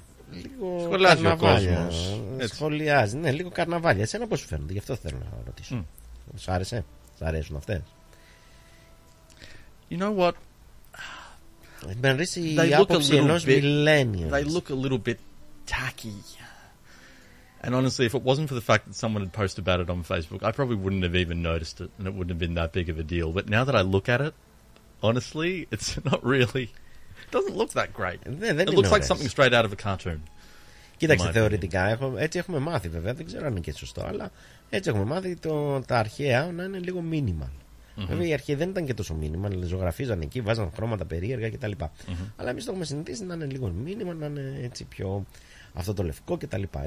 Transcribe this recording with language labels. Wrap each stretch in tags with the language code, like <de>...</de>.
<el>λίγο σχολιάζει ο κόσμος. Σχολιάζει, ναι, λίγο καρναβάλια. Εσένα πώς σου φαίνονται, γι' αυτό θέλω να ρωτήσω. Mm. Σ' άρεσε, σ' αρέσουν αυτές.</el> <en>You know what?</en> <el>Με αρέσει η άποψη ενός millennials.</el> <en>They look a little bit tacky. And honestly, if it wasn't for the fact that someone had posted about it on Facebook, I probably wouldn't have even noticed it, and it wouldn't have been that big of a deal. But now that I look at it, honestly, it's not really... It doesn't look that great.</en> <el>Δεν</el> <en>it looks like something straight out of a cartoon.</en> <el>Κοίταξε, θεωρητικά, έτσι έχουμε μάθει, βέβαια, δεν ξέρω αν είναι και σωστό, αλλά έτσι έχουμε μάθει τα αρχαία να είναι λίγο minimal. Mm-hmm. Βέβαια, οι αρχαίοι δεν ήταν και τόσο minimal, αλλά ζωγραφίζαν εκεί, βάζαν χρώματα περίεργα κτλ. Mm-hmm. Αλλά εμείς το έχουμε συνηθίσει να είναι λίγο minimal, να είναι έτσι πιο... αυτό το λευκό και τα λοιπά.</el>